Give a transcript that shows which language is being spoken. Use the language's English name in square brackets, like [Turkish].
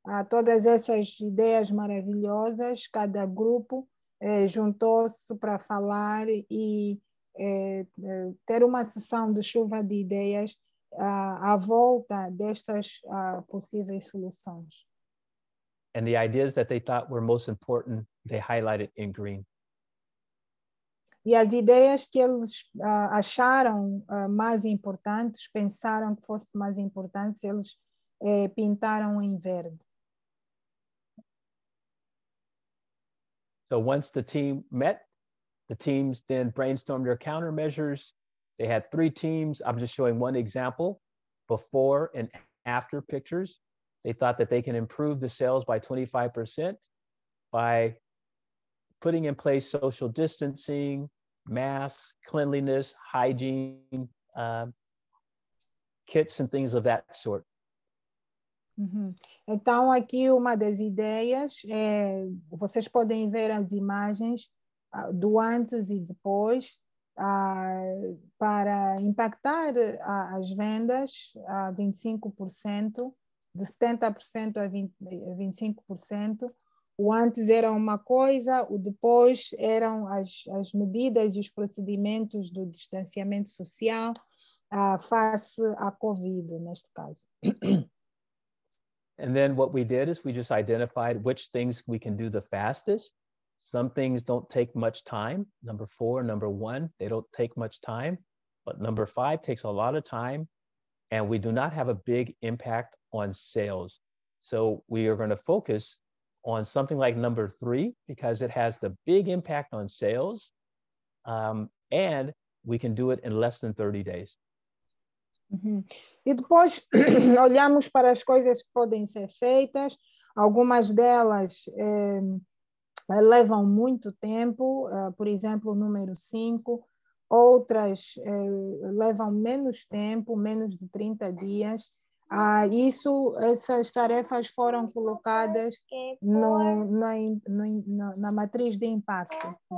[Portuguese] Todas essas ideias maravilhosas, cada grupo juntou-se para falar e ter uma sessão de chuva de ideias à volta destas possíveis soluções. [English] And the ideas that they thought were most important, they highlighted in green. [Portuguese] E as ideias que eles acharam mais importantes, pensaram que fossem mais importantes, eles pintaram em verde. [English] So once the team met, the teams then brainstormed their countermeasures. They had 3 teams. I'm just showing one example, before and after pictures. They thought that they can improve the sales by 25% by putting in place social distancing, masks, cleanliness, hygiene, kits and things of that sort. Uhum. [Portuguese] Então aqui uma das ideias, vocês podem ver as imagens do antes e depois, para impactar as vendas a 25%, de 70% a 25%, o antes era uma coisa, o depois eram as medidas e os procedimentos do distanciamento social face à Covid, neste caso. [English] And then what we did is we just identified which things we can do the fastest. Some things don't take much time. Number 4, number 1, they don't take much time. But number 5 takes a lot of time. And we do not have a big impact on sales. So we are going to focus on something like number 3 because it has the big impact on sales. And we can do it in less than 30 days. Uhum. [Portuguese] E depois olhamos para as coisas que podem ser feitas, algumas delas levam muito tempo, por exemplo, o número 5, outras levam menos tempo, menos de 30 dias, isso, essas tarefas foram colocadas na matriz de impacto.